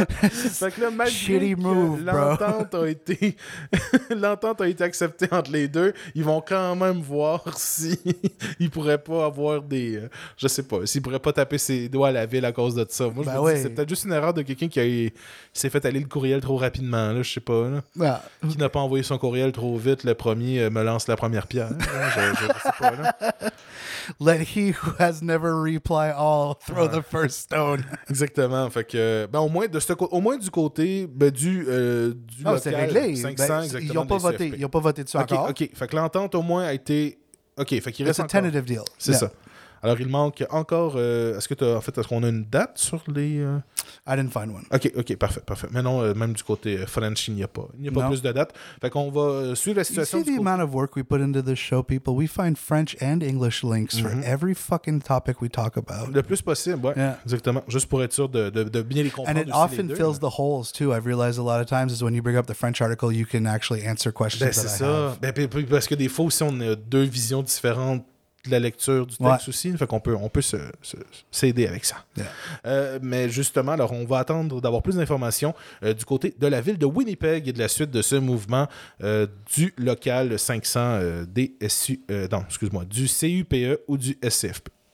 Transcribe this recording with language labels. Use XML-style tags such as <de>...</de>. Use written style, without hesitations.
<fr>Fait que là, malgré que l'entente a été... l'entente a été acceptée entre les deux, ils vont quand même voir si ils pourraient pas avoir des... Je sais pas, s'ils pourraient pas taper ses doigts à la ville à cause de ça. Moi, je me dis que c'est peut-être juste une erreur de quelqu'un qui s'est fait aller le courriel trop rapidement, là, je sais pas. Là. Ah. Qui n'a pas envoyé son courriel trop vite, le premier me lance la première pierre. Je sais pas.</fr> <en>Let he who has never reply all throw the first stone.</en> <fr>Exactement. Fait que, ben au moins du côté ben du local, c'est réglé. 500, ben, exactement, ils n'ont pas voté dessus encore. OK. Fait que l'entente au moins a été. OK. Fait qu'il reste.</fr> <en>It's a tentative deal.</en> <fr>C'est ça. Alors il manque encore. Est-ce qu'on a une date sur les.</fr> <en>I didn't find one.</en> <fr>OK, parfait. Mais non, même du côté French, il n'y a pas plus de date. Fait qu'on va suivre la situation.</fr> <en>You see the amount of work we put into this show, people? We find French and English links for every fucking topic we talk about.</en> <fr>Le plus possible, ouais. Yeah. Exactement. Juste pour être sûr de bien les comprendre.</fr> <en>And it often fills the holes, too. I've realized a lot of times is when you bring up the French article, you can actually answer questions that I have.</en> <fr>Ben, c'est ça. Ben, parce que des fois aussi, on a deux visions différentes. De la lecture du texte aussi, fait qu'on peut s'aider avec ça.</fr> <en>Yeah.</en> <fr>Mais justement, alors on va attendre d'avoir plus d'informations du côté de la ville de Winnipeg et de la suite de ce mouvement du local 500 du CUPE ou du SCFP.</fr>